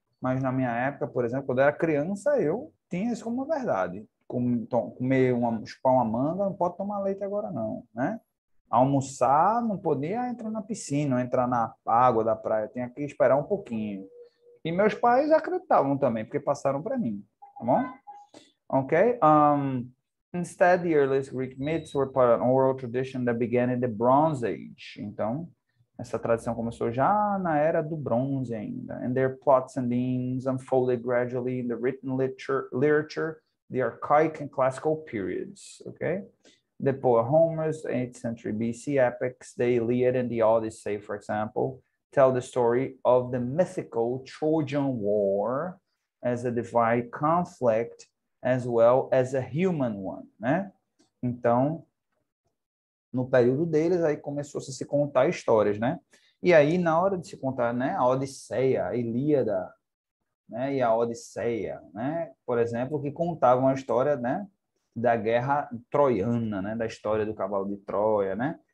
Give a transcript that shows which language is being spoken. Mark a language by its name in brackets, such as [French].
[Portuguese] Mas na minha época, por exemplo, quando eu era criança, eu tinha isso como uma verdade. Comer chupar uma manga, não pode tomar leite agora não, né? Almoçar, não podia entrar na piscina, entrar na água da praia, tinha que esperar um pouquinho. E meus pais acreditavam também, porque passaram para mim, tá bom? Ok? [English] Instead, the earliest Greek myths were part of an oral tradition that began in the Bronze Age. [Portuguese] Então, essa tradição começou já na era do bronze ainda. [English] And their plots and themes unfolded gradually in the written literature, the archaic and classical periods. Ok? Depois, Homer's 8th century BC epics, the Iliad and the Odyssey, for example, tell the story of the mythical Trojan War as a divine conflict as well as a human one, né? [Portuguese] Então, no período deles aí começou a se contar histórias, né? E aí na hora de se contar, né, a Odisseia, a Ilíada, né, e a Odisseia, né? Por exemplo, que contavam a história, né, da guerra troiana, né, da história do cavalo de Troia, né?